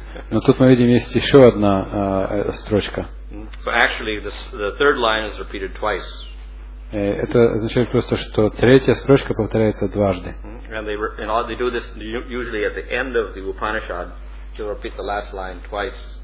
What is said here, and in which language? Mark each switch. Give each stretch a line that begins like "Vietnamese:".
Russian: Но тут мы видим, есть еще одна строчка.
English: So actually, the third line is repeated twice.
Russian: Это означает просто, что третья строчка повторяется дважды.
English: And they do this usually at the end of the Upanishad, to repeat the last line twice.